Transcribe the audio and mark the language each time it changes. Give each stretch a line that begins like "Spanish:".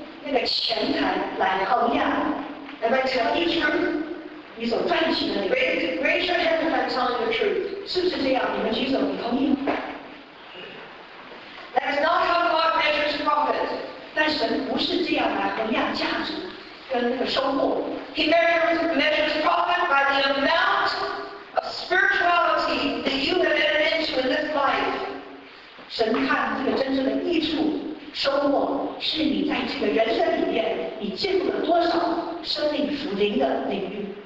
Chinese: 世界上呢，他用那个钱财来衡量。
English: Am I telling you truth?
Chinese: 你所赚取的那个。
English: Raise your hand if I'm telling the truth.
Chinese: 是不是这样？你们举手，你同意吗？
English: That's not how God measures profit.
Chinese: 但神不是这样来衡量价值跟那个收获。
English: He measures profit by the amount of spirituality that you have entered into in this life.
Chinese: 神看这个真正的益处、收获，是你在这个人生里面你进入了多少生命属灵的领域。